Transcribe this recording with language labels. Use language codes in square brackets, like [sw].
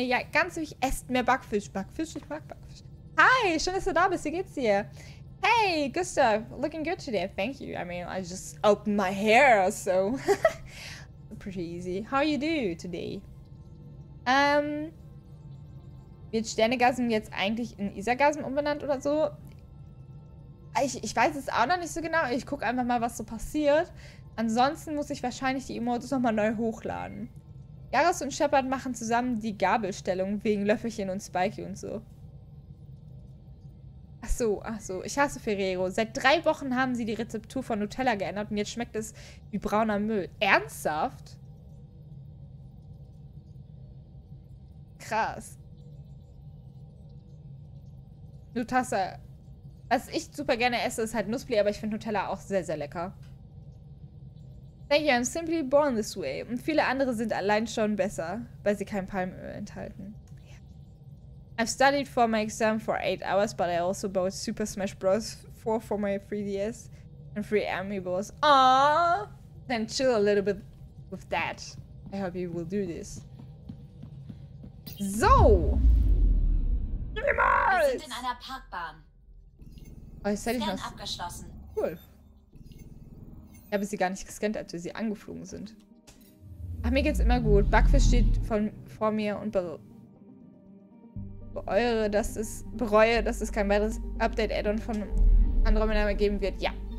[de] Ja, ganz wichtig, esst mehr Backfisch. Backfisch, ich mag Backfisch. Hi, schön, dass du da bist. Wie geht's dir? [en] Hey, Gustav, looking good today. Thank you. I mean, I just opened my hair, so. Pretty easy. How you do today? [de] Wird Sternegasm jetzt eigentlich in Isargasm umbenannt oder so? Ich weiß es auch noch nicht so genau. Ich gucke einfach mal, was so passiert. Ansonsten muss ich wahrscheinlich die Emotes nochmal neu hochladen. Garrus und Shepard machen zusammen die Gabelstellung wegen Löffelchen und Spikey und so. Ach so. Ich hasse Ferrero. Seit 3 Wochen haben sie die Rezeptur von Nutella geändert und jetzt schmeckt es wie brauner Müll. Ernsthaft? Krass. Nutassa. Was ich super gerne esse, ist halt Nuspli, aber ich finde Nutella auch sehr, sehr lecker. [en] Thank you, I'm simply born this way. [de] Und viele andere sind allein schon besser, weil sie kein Palmöl enthalten. [en] Yeah. I've studied for my exam for 8 hours, but I also bought Super Smash Bros. 4 for my 3DS and 3 Amiibos. Aww! Then chill a little bit with that. I hope you will do this. So! [de] Wir sind in einer Parkbahn. Oh, ich abgeschlossen. Cool. Ich habe sie gar nicht gescannt, als wir sie angeflogen sind. Ach, mir geht's immer gut. Backfisch steht vor mir und bereue, dass es kein weiteres Update-Add-on von Andromeda mehr geben wird. Ja.